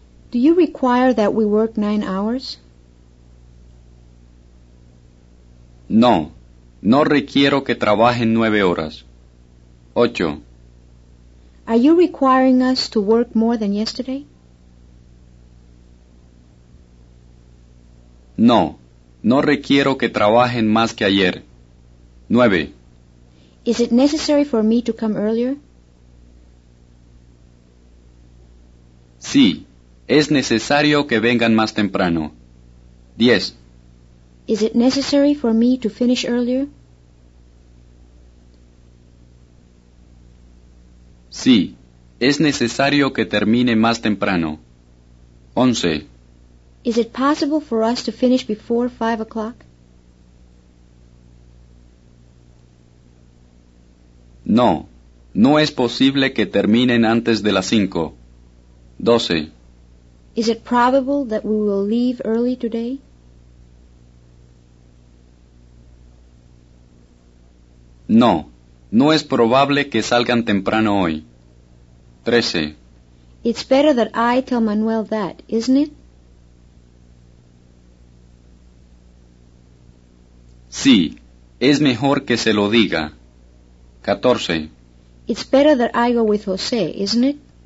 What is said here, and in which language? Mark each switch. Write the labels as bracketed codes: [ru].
[en] Do you require that we work 9 hours? [es] No, no requiero que trabajen 9 horas. 8. [en] Are you requiring us to work more than yesterday? [es] No, no requiero que trabajen más que ayer. 9. [en] Is it necessary for me to come earlier? [es] Sí, es necesario que vengan más temprano. 10. [en] Is it necessary for me to finish earlier? [es] Sí, es necesario que termine más temprano. 11. [en] Is it possible for us to finish before 5 o'clock? [es] No, no es posible que terminen antes de las 5. 12. [en] Is it probable that we will leave early today? [es] No, no es probable que salgan temprano hoy. 13. [en] It's better that I tell Manuel that, isn't it? [es] Sí, es mejor que se lo diga. 14. [en] It's better that I go with José, isn't it?